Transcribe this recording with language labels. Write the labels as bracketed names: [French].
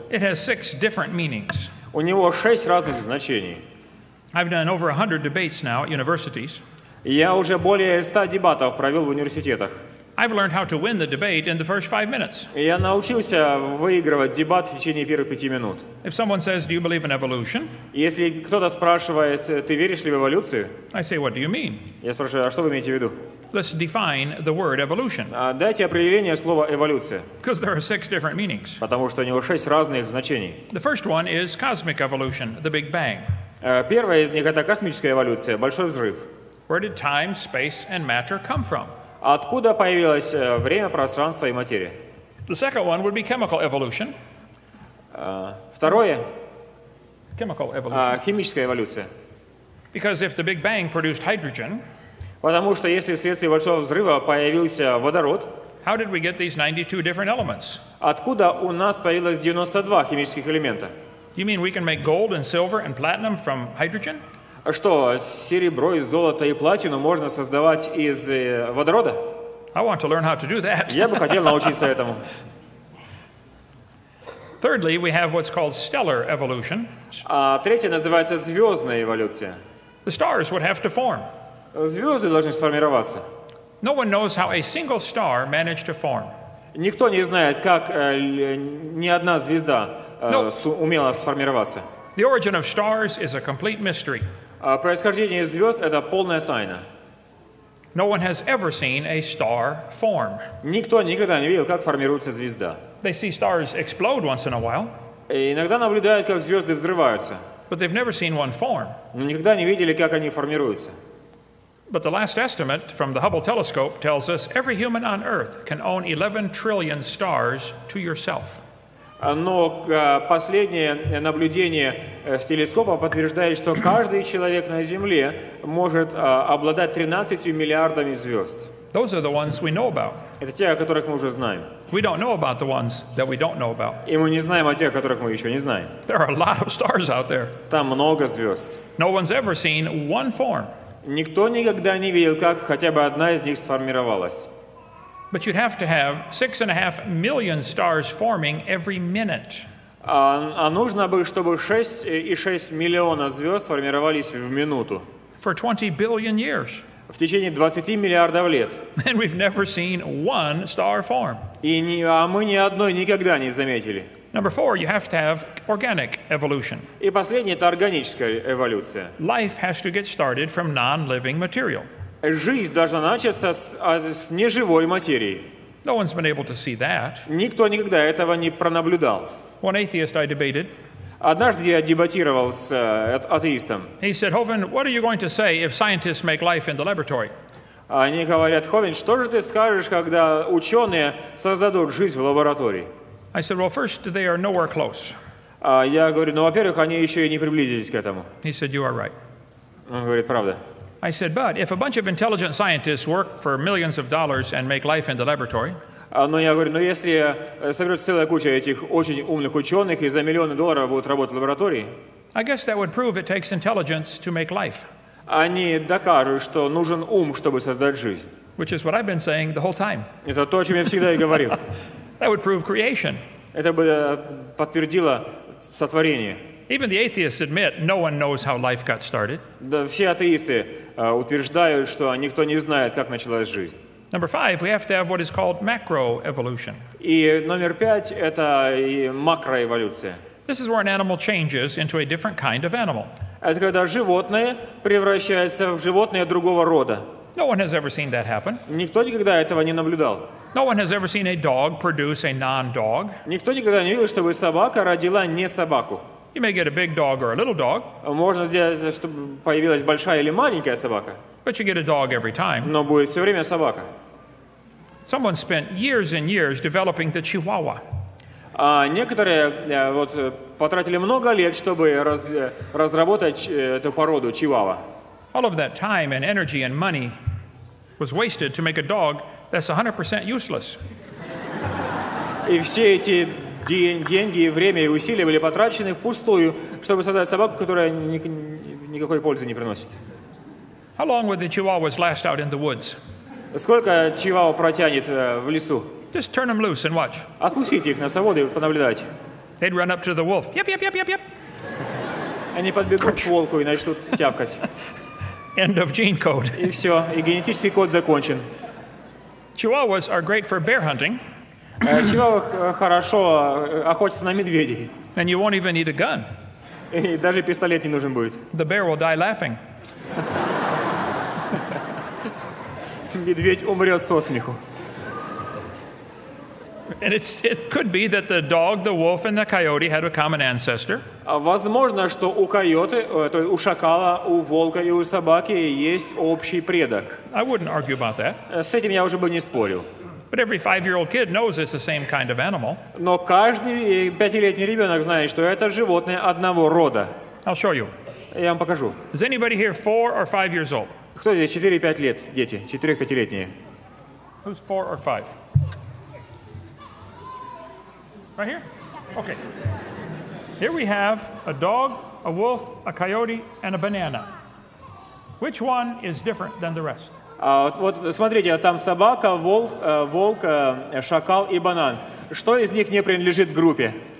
[English] It has 6 different meanings. [Russian] У него 6 разных значений. [English] I've done over 100 debates now at universities. [Russian] Я уже более 100 дебатов провел в университетах. [English] I've learned how to win the debate in the first 5 minutes. [Russian] Я научился выигрывать дебат в течение первых 5 минут. [English] If someone says, "Do you believe in evolution?" [Russian] Если кто-то спрашивает, ты веришь ли в эволюцию? [English] I say, "What do you mean?" [Russian] Я спрашиваю, а что вы имеете в виду? [English] Let's define the word evolution. [Russian] Дайте определение слова эволюция. [English] Because there are 6 different meanings. [Russian] Потому что у него 6 разных значений. [English] The first one is cosmic evolution, the Big Bang. [Russian] Первое из них это космическая эволюция, большой взрыв. [English] Where did time, space, and matter come from? [Russian] Откуда появилось время, пространство и материя? [English] The second one would be chemical evolution. [Russian] Второе. [English] Chemical evolution. [Russian] Химическая эволюция. [English] Because if the Big Bang produced hydrogen, [Russian] потому что если вследствие большого взрыва появился водород, [English] how did we get these 92 different elements? [Russian] Откуда у нас появилось 92 химических элемента? [English] You mean we can make gold and silver and platinum from hydrogen? [Russian] Что, серебро и золото и платину можно создавать из водорода? [English] I want to learn how to do that. [Russian] Я бы хотел научиться этому. [English] Thirdly, we have what's called stellar evolution. [Russian] А третье называется звездная эволюция. [English] The stars would have to form. [Russian] Звезды должны сформироваться. [English] No one knows how a single star managed to form. [Russian] Никто не знает, как ни одна звезда умела сформироваться. [English] The origin of stars is a complete mystery. [Russian] Происхождение звезд – это полная тайна. [English] No one has ever seen a star form. [Russian] Никто никогда не видел, как формируется звезда. [English] They see stars explode once in a while. [Russian] И иногда наблюдают, как звезды взрываются. [English] But they've never seen one form. [Russian] Но никогда не видели, как они формируются. [English] But the last estimate from the Hubble telescope tells us every human on Earth can own 11 trillion stars to yourself. [Russian] Но последнее наблюдение с телескопа подтверждает, что каждый человек на Земле может обладать 13 миллиардами звезд. [English] Those are the ones we know about. [Russian] Это те, о которых мы уже знаем. [English] We don't know about the ones that we don't know about. [Russian] И мы не знаем о тех, о которых мы еще не знаем. [English] There are a lot of stars out there. [Russian] Там много звезд. [English] No one's ever seen one form. [Russian] Никто никогда не видел, как хотя бы одна из них сформировалась. [English] But you'd have to have 6.5 million stars forming every minute. [Russian] А нужно бы, чтобы 6.6 миллиона звезд формировались в минуту. [English] For 20 billion years. [Russian] В течение 20 миллиардов лет. [English] And we've never seen one star form. [Russian] А мы ни одной никогда не заметили. [English] Number four, you have to have organic evolution. [Russian] И последнее это органическая эволюция. [English] Life has to get started from non-living material. [Russian] Жизнь должна начаться с неживой материи. [English] No one's been able to see that. [Russian] Никто никогда этого не пронаблюдал. [English] One atheist I debated. [Russian] Однажды я дебатировал с атеистом. [English] He said, "Hovind, what are you going to say if scientists make life in the laboratory?" [Russian] Они говорят, Ховин, что же ты скажешь, когда ученые создадут жизнь в лаборатории? [English] I said, "Well, first they are nowhere close." [Russian] Я говорю, ну, во-первых, они еще и не приблизились к этому. [English] He said, "You are right." [Russian] Он говорит, правда. [English] I said, "But if a bunch of intelligent scientists work for millions of dollars and make life in the laboratory," [Russian] но я говорю, но если соберется целая куча этих очень умных ученых и за миллионы долларов будут работать в лаборатории, [English] I guess that would prove it takes intelligence to make life. [Russian] Они докажут, что нужен ум, чтобы создать жизнь. [English] Which is what I've been saying the whole time. [Russian] Это то, о чем я всегда и говорил. [English] That would prove creation. [Russian] Это бы подтвердило сотворение. [English] Even the atheists admit no one knows how life got started. [Russian] Да, все атеисты утверждают, что никто не знает, как началась жизнь. [English] Number five, we have to have what is called macroevolution. [Russian] И номер пять это макроэволюция. [English] This is where an animal changes into a different kind of animal. [Russian] Это когда животное превращается в животное другого рода. [English] No one has ever seen that happen. [Russian] Никто никогда этого не наблюдал. [English] No one has ever seen a dog produce a non-dog. [Russian] Никто никогда не видел, чтобы собака родила не собаку. [English] You may get a big dog or a little dog. [Russian] Можно сделать, чтобы появилась большая или маленькая собака. [English] But you get a dog every time. [Russian] Но будет все время собака. [English] Someone spent years and years developing the Chihuahua. [Russian] Некоторые вот потратили много лет, чтобы разработать эту породу чивава. [English] All of that time and energy and money was wasted to make a dog that's 100% useless. [Russian] И все эти деньги, время и усилия были потрачены впустую, чтобы создать собаку, которая никакой пользы не приносит. [English] How long would the chihuahuas last out in the woods? [Russian] Сколько чивау протянет в лесу? [English] Just turn them loose and watch. [Russian] Отпустите их на свободу и понаблюдайте. [English] They'd run up to the wolf. Yep, yep, yep, yep, yep. [Russian] Они подбегут к волку и начнут тявкать. [English] End of gene code. [Russian] И все, и генетический код закончен. [English] Chihuahuas are great for bear hunting. [Russian] Чивау хорошо охотится на медведей. [English] And you won't even need a gun. [Russian] И даже пистолет не нужен будет. [English] The bear will die laughing. [Russian] Медведь умрет со смеху. [English] And it could be that the dog, the wolf, and the coyote had a common ancestor. [Russian] Возможно, что у койоты, то есть у шакала, у волка и у собаки есть общий предок. [English] I wouldn't argue about that. [Russian] С этим я уже бы не спорил. [English] But every five-year-old kid knows it's the same kind of animal. [Russian] Но каждый пятилетний ребенок знает, что это животное одного рода. [English] I'll show you. [Russian] Я вам покажу. [English] Is anybody here 4 or 5 years old? [Russian] Кто здесь 4-5 лет, дети, 4-5-летние? [English] Who's 4 or 5? Right here? Okay. Here we have a dog, a wolf, a coyote, and a banana. Which one is different than the rest? [Russian] Вот смотрите, там собака, волк, шакал и банан. Что из них не принадлежит группе?